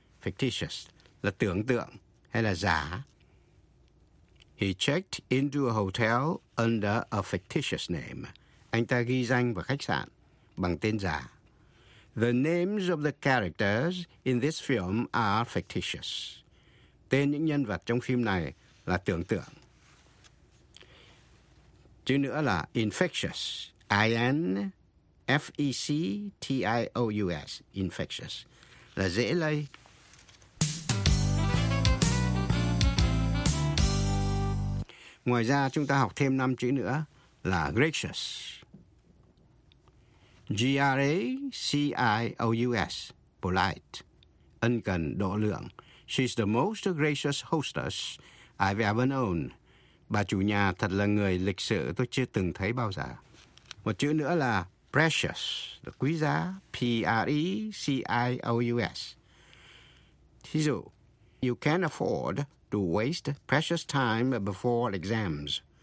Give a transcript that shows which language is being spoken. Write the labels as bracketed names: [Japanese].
[English] Fictitious [Vietnamese] là tưởng tượng hay là giả. [English] He checked into a hotel under a fictitious name. [Vietnamese] Anh ta ghi danh vào khách sạn bằng tên giả. [English] The names of the characters in this film are fictitious. [Vietnamese] Tên những nhân vật trong phim này là tưởng tượng. Chữ nữa là infectious. I-N F-E-C-T-I-O-U-S, infectious, là dễ lây. Ngoài ra, chúng ta học thêm 5 chữ nữa là gracious. G-R-A-C-I-O-U-S, polite, ân cần, độ lượng. [English] She's the most gracious hostess I've ever known. [Vietnamese] Bà chủ nhà thật là người lịch sự tôi chưa từng thấy bao giờ. Một chữ nữa là precious, là quý giá, P-R-E-C-I-O-U-S. Thí dụ, [English] you can't afford to waste precious time before exams.